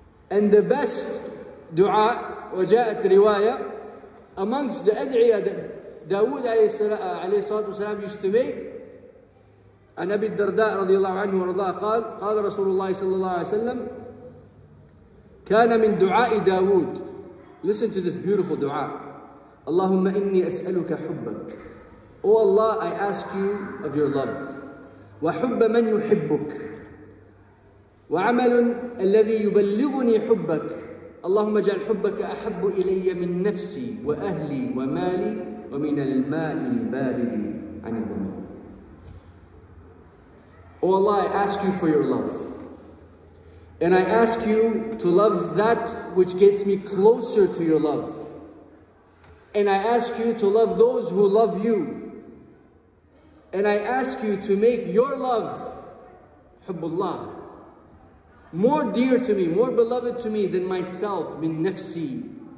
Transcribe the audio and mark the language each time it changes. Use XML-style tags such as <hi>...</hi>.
<en>And the best dua,</en> <ar>وجاءت رواية,</ar> <en>amongst the ad'iyah that Dawood alayhi salatu wasalam used to make,</en> <ar>عن أبي الدرداء رضي الله عنه ورضاه قال, قال رسول الله صلى الله عليه وسلم, كان من دعاء داود.</ar> <en>Listen to this beautiful dua.</en> <ar>اللهم إني أسألك حبك.</ar> <en>O Allah, I ask you of your love.</en> <ar>وحب من يحبك. وعمل الذي يبلغني حبك اللهم اجعل حبك احب الي من نفسي واهلي ومالي ومن الماء البارد عن الماء.</ar> <en>Oh Allah, I ask you for your love. And I ask you to love that which gets me closer to your love. And I ask you to love those who love you. And I ask you to make your love, hubbullah, more dear to me, more beloved to me than myself, min nafsi.</en>